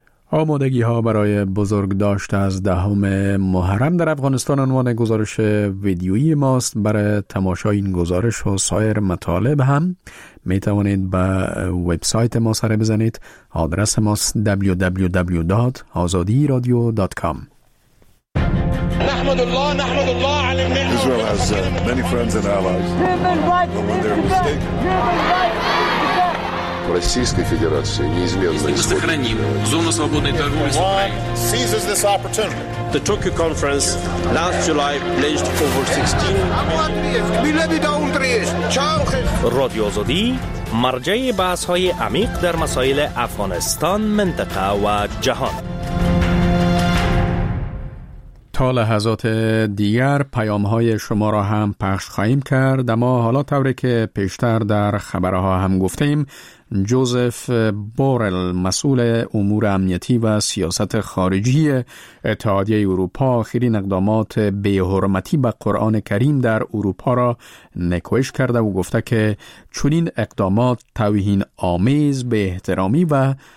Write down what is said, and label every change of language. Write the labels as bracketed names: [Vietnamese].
[Persian] آمادگی ها برای بزرگ داشت از دهم محرم در افغانستان عنوان گزارش ویدیویی ماست. برای تماشای این گزارش و سایر مطالب هم می توانید به وبسایت ما سر بزنید. آدرس ماست www.azadiradio.com. [English] Israel has many friends and allies. Human rights. But when they're mistaken. [Russian] Российской Федерации неизменно сохраним зону свободной торговли с Украиной. [English] Seizes this opportunity. The Tokyo Conference last July pledged over 16. [Persian] Radio Azadi, مرجع بحث‌های عمیق در مسائل افغانستان، منطقه و جهان. تا لحظات دیگر پیام های شما را هم پخش خواهیم کرد، اما حالا طوری که پیشتر در خبرها هم گفتیم، جوزف بورل، مسئول امور امنیتی و سیاست خارجی اتحادیه اروپا، آخرین اقدامات بی حرمتی به قرآن کریم در اروپا را نکوهش کرده و گفته که چنین اقدامات توهین آمیز، به احترامی و